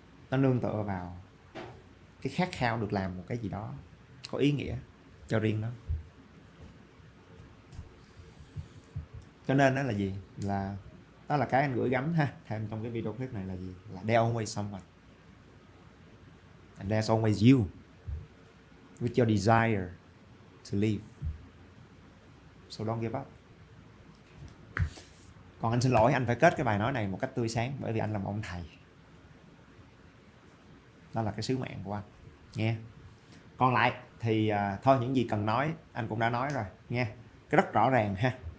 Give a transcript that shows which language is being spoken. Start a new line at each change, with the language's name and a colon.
Vietnamese: Nó nương tựa vào cái khát khao được làm một cái gì đó có ý nghĩa cho riêng nó. Cho nên đó là gì? Là đó là cái anh gửi gắm ha, thêm trong cái video clip này là gì? Là
English: there's always someone. And there's always you. With your desire to live. So don't give up.
Vietnamese: Còn anh xin lỗi, anh phải kết cái bài nói này một cách tươi sáng bởi vì anh là một ông thầy. Đó là cái sứ mạng của anh. Nghe. Còn lại thì thôi những gì cần nói anh cũng đã nói rồi. Nghe. Cái rất rõ ràng ha.